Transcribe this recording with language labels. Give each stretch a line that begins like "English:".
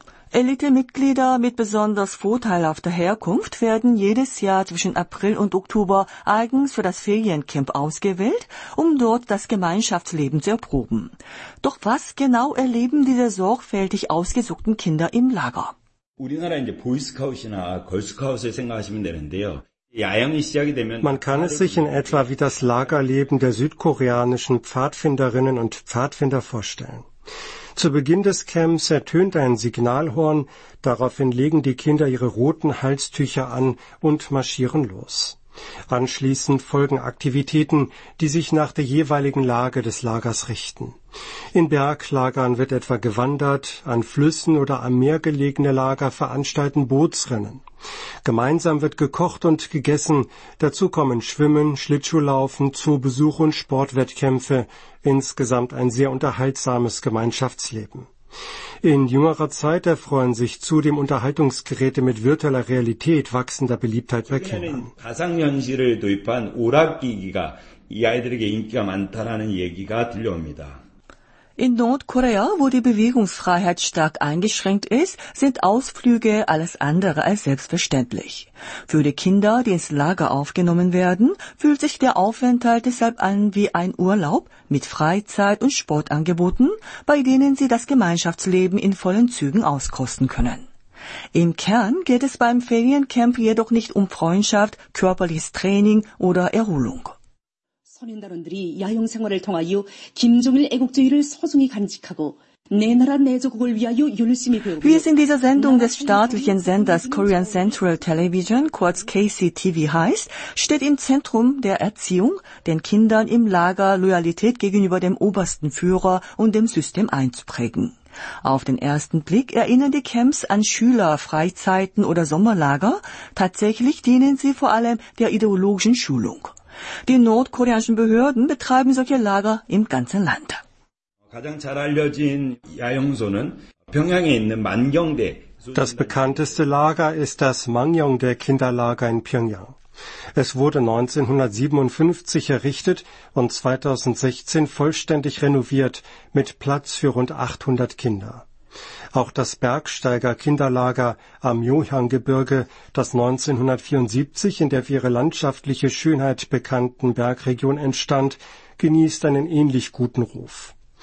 German: Elite-Mitglieder mit besonders vorteilhafter Herkunft werden jedes Jahr zwischen April und Oktober eigens für das Feriencamp ausgewählt, um dort das Gemeinschaftsleben zu erproben. Doch was genau erleben diese sorgfältig ausgesuchten Kinder im Lager?
Korean: 우리나라 이제 보이스카우트나 걸스카우트를 생각하시면 되는데요.
German: Man kann es sich in etwa wie das Lagerleben der südkoreanischen Pfadfinderinnen und Pfadfinder vorstellen. Zu Beginn des Camps ertönt ein Signalhorn, daraufhin legen die Kinder ihre roten Halstücher an und marschieren los. Anschließend folgen Aktivitäten, die sich nach der jeweiligen Lage des Lagers richten. In Berglagern wird etwa gewandert, an Flüssen oder am Meer gelegene Lager veranstalten Bootsrennen. Gemeinsam wird gekocht und gegessen, dazu kommen Schwimmen, Schlittschuhlaufen, Zoobesuche und Sportwettkämpfe, insgesamt ein sehr unterhaltsames Gemeinschaftsleben. In jüngerer Zeit erfreuen sich zudem Unterhaltungsgeräte mit virtueller Realität wachsender Beliebtheit bei Kindern.
Korean: 가상현실을 도입한 오락기기가 이 아이들에게 인기가 많다라는 얘기가 들려옵니다.
German: In Nordkorea, wo die Bewegungsfreiheit stark eingeschränkt ist, sind Ausflüge alles andere als selbstverständlich. Für die Kinder, die ins Lager aufgenommen werden, fühlt sich der Aufenthalt deshalb an wie ein Urlaub mit Freizeit- und Sportangeboten, bei denen sie das Gemeinschaftsleben in vollen Zügen auskosten können. Im Kern geht es beim Feriencamp jedoch nicht um Freundschaft, körperliches Training oder Erholung.
Korean: 선인단원들이 야영 생활을 통하여 김정일 애국주의를 소중히 간직하고
German: Wie es in dieser Sendung des staatlichen Senders Korean Central Television, kurz KCTV heißt, steht im Zentrum der Erziehung, den Kindern im Lager Loyalität gegenüber dem obersten Führer und dem System einzuprägen. Auf den ersten Blick erinnern die Camps an Schülerfreizeiten oder Sommerlager, tatsächlich dienen sie vor allem der ideologischen Schulung. Die nordkoreanischen Behörden betreiben solche Lager im ganzen Land.
Korean: 가장 잘 알려진 야영소는 평양에 있는 만경대.
German: Das bekannteste Lager ist das Mangyongdae Kinderlager in Pjöngjang. Es wurde 1957 errichtet und 2016 vollständig renoviert mit Platz für rund 800 Kinder. Auch das Bergsteiger-Kinderlager am Yohyang-Gebirge, das 1974 in der für ihre landschaftliche Schönheit bekannten Bergregion entstand, genießt einen ähnlich guten Ruf.